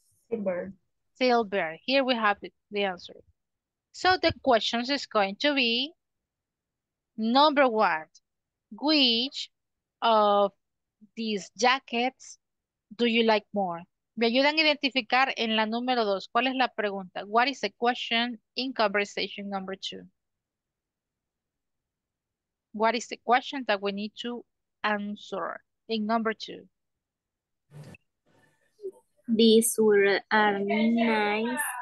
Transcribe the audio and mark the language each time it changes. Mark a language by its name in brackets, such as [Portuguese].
[English] silver. Silver. Here we have the answer. So the question is going to be number one, which of these jackets do you like more? [Spanish] Me ayudan a identificar en la número dos. ¿Cuál es la pregunta? [English] What is the question in conversation number two? What is the question that we need to answer in number two? These were are nice.